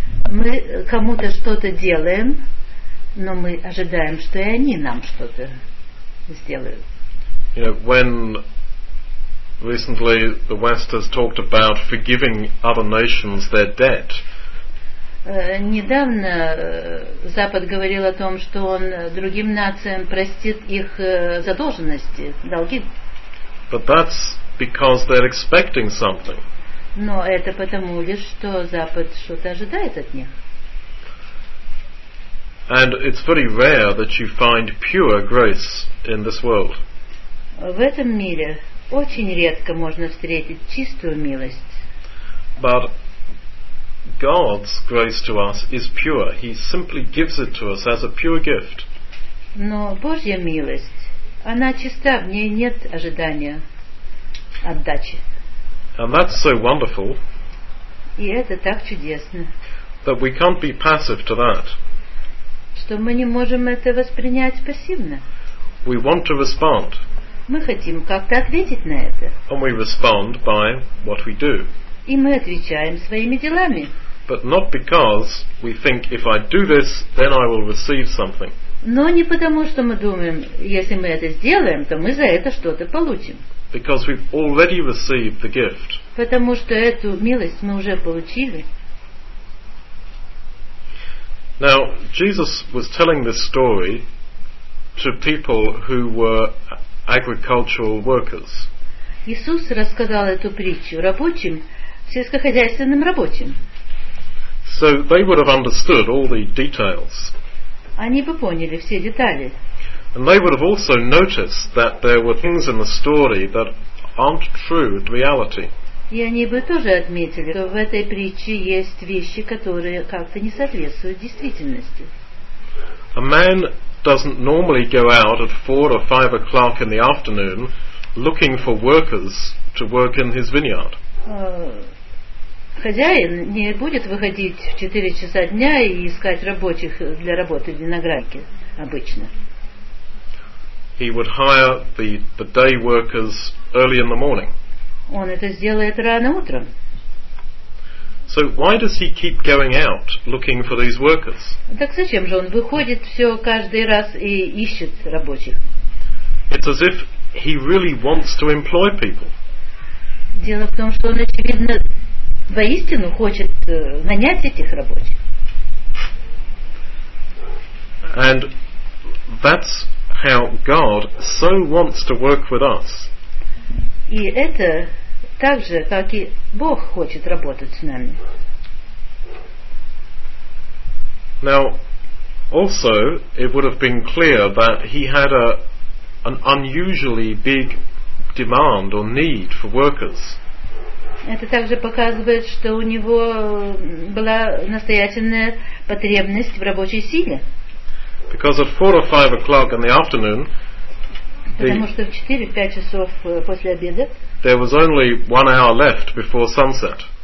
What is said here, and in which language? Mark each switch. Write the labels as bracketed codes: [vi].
[ru] Мы кому-то что-то делаем, но мы ожидаем, что и они нам что-то сделают. [en] You know, when recently the West has talked about forgiving other nations their debt. [ru] Недавно Запад говорил о том, что он другим нациям простит их задолженности, долги. [en] But that's because they're expecting something. [ru] Но это потому лишь, что Запад что-то ожидает от них. [en] And it's very rare that you find pure grace in this world. [ru] В этом мире Очень редко можно встретить чистую милость. [en] But God's grace to us is pure. He simply gives it to us as a pure gift. [ru] Но Божья милость, она чиста, в ней нет ожидания отдачи. [en] And that's so wonderful. [ru] И это так чудесно. [en] That we can't be passive to that. [ru] Что мы не можем это воспринять пассивно. [en] We want to respond. [ru] Мы хотим как-то ответить на это. [en] And we respond by what we do. [ru] И мы отвечаем своими делами. [en] But not because we think if I do this, then I will receive something. [ru] Но не потому, что мы думаем, если мы это сделаем, то мы за это что-то получим. [en] Because we've already received the gift. [ru] Потому что эту милость мы уже получили. [en] Now, Jesus was telling this story to people who were agricultural workers. [ru] Иисус рассказал эту притчу рабочим, сельскохозяйственным рабочим. [en] So they would have understood all the details. [ru] Они бы поняли все детали. [en] And they would have also noticed that there were things in the story that aren't true in reality. [ru] И они бы тоже отметили, что в этой притче есть вещи, которые как-то не соответствуют действительности. [en] A man doesn't normally go out at 4 or 5 o'clock in the afternoon looking for workers to work in his vineyard. [ru] Хозяин не будет выходить в 4 часа дня и искать рабочих для работы в винограднике обычно. [en] He would hire the day workers early in the morning. [ru] Он это сделает рано утром. [en] So why does he keep going out looking for these workers? [ru] Так зачем же он выходит все каждый раз и ищет рабочих? [en] It's as if he really wants to employ people. [ru] Дело в том, что он, очевидно, воистину хочет нанять этих рабочих. [en] And that's how God so wants to work with us. [ru] И это так же, как и Бог хочет работать с нами. [en] Now, also, it would have been clear that he had an unusually big demand or need for workers. [ru] Это также показывает, что у него была настоятельная потребность в рабочей силе. [en] Because at 4 or 5 o'clock in the afternoon, [ru] потому что в 4-5 часов после обеда [en] there was only 1 hour left before sunset.